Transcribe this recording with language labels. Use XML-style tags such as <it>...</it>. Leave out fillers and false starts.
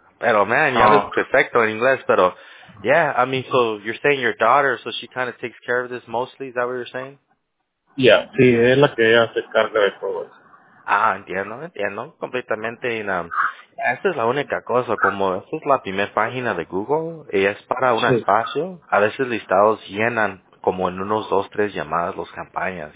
<es>Pero, man, yo hablo perfecto en inglés, pero...</es> <en>Yeah, I mean, so you're saying your daughter, so she kind of takes care of this mostly, is that what you're saying?</en> <es>Yeah, sí, es la que ella se carga de todo. Ah, entiendo. Completamente. Esta es la única cosa, como esta es la primera página de Google, y es para un espacio, a veces listados llenan como en unos dos, tres llamadas, las campañas.</es>